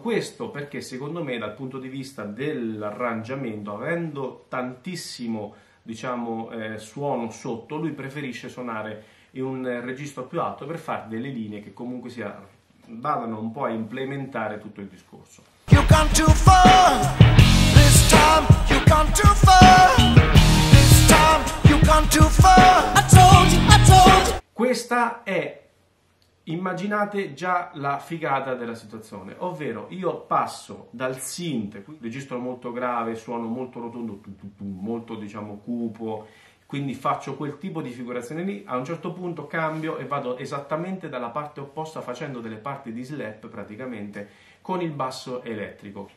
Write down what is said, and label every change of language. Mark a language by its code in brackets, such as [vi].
[it] Questo perché, secondo me, dal punto di vista dell'arrangiamento, avendo tantissimo, diciamo, suono sotto, lui preferisce suonare in un registro più alto per fare delle linee che comunque sia vadano un po' a implementare tutto il discorso. [en] You come too far, this time you come too far, this time you come too far, I told you, I told you. [it] Questa è, immaginate già la figata della situazione, ovvero io passo dal synth, qui registro molto grave, suono molto rotondo, molto diciamo cupo, quindi faccio quel tipo di figurazione lì, a un certo punto cambio e vado esattamente dalla parte opposta facendo delle parti di slap praticamente con il basso elettrico.